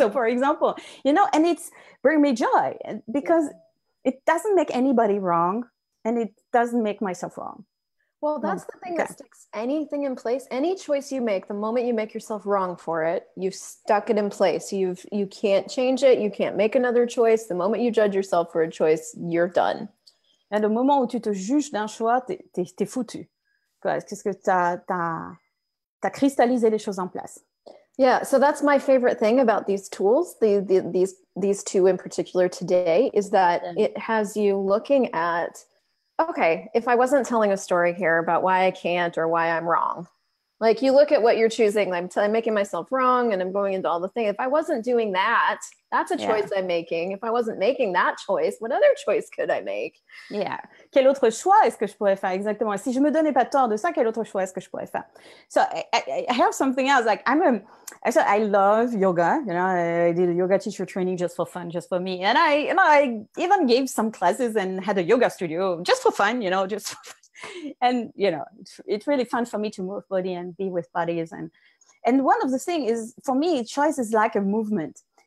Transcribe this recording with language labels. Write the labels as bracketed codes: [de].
[en] So for example, you know, and it's bring me joy because it doesn't make anybody wrong and it doesn't make myself wrong. Well, that's the thing that sticks anything in place. Any choice you make, the moment you make yourself wrong for it, you've stuck it in place. You can't change it. You can't make another choice. The moment you judge yourself for a choice, you're done. And the moment [fr] où tu te juges d'un choix, t'es foutu. Parce que t'as cristallisé les choses en place. [en] Yeah, so that's my favorite thing about these tools, these two in particular today, is that it has you looking at, okay, if I wasn't telling a story here about why I can't or why I'm wrong, like you look at what you're choosing, I'm making myself wrong and I'm going into all the things. If I wasn't doing that, that's a choice I'm making. If I wasn't making that choice, what other choice could I make? Yeah. [fr] Quel autre choix est-ce que je pourrais faire? Exactement. Si je me donnais pas tort de ça, quel autre choix est-ce que je pourrais faire? [en] So I have something else. Like I love yoga. You know, I did a yoga teacher training just for fun, just for me. And I, you know, I even gave some classes and had a yoga studio just for fun, you know, just for fun. And, you know, it's really fun for me to move body and be with bodies. And one of the things is, for me, choice is like a movement.